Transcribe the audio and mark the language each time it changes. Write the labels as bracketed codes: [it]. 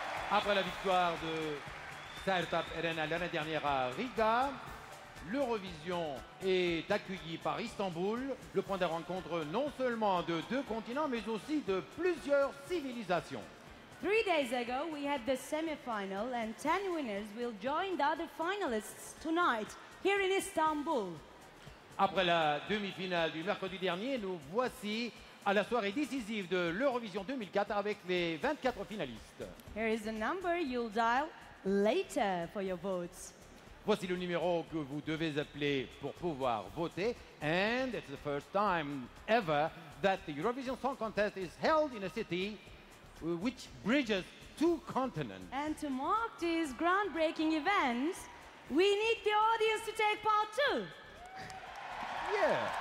[fr] Après la victoire de Sertab Erener l'année dernière à Riga, l'Eurovision est accueilli par Istanbul, le point de rencontre non seulement de deux continents, mais aussi de plusieurs civilisations. [en] 3 days ago, we had the semi-final, and 10 winners will join the other finalists tonight here in Istanbul. [fr] Après la demi-finale du mercredi dernier, nous voici à la soirée décisive de l'Eurovision 2004 avec les 24 finalistes. [en] Here is the number you'll dial later for your votes. [fr] Voici le numéro que vous devez appeler pour pouvoir voter. [en] And it's the first time ever that the Eurovision Song Contest is held in a city which bridges two continents. And to mark this groundbreaking event, we need the audience to take part too. Yeah.